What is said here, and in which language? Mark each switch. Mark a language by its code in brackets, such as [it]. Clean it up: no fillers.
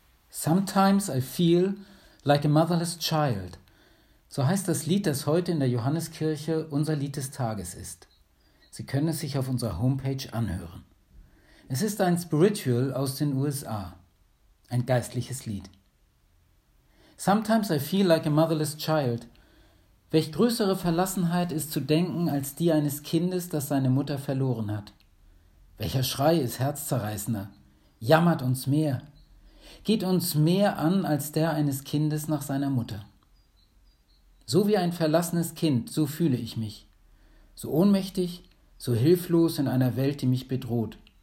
[en] Sometimes I feel like a motherless child. [de] So heißt das Lied, das heute in der Johanneskirche unser Lied des Tages ist. Sie können es sich auf unserer Homepage anhören. Es ist ein Spiritual aus den USA. Ein geistliches Lied. [en] Sometimes I feel like a motherless child. [de] Welch größere Verlassenheit ist zu denken als die eines Kindes, das seine Mutter verloren hat. Welcher Schrei ist herzzerreißender, jammert uns mehr, geht uns mehr an als der eines Kindes nach seiner Mutter. So wie ein verlassenes Kind, so fühle ich mich. So ohnmächtig, so hilflos in einer Welt, die mich bedroht.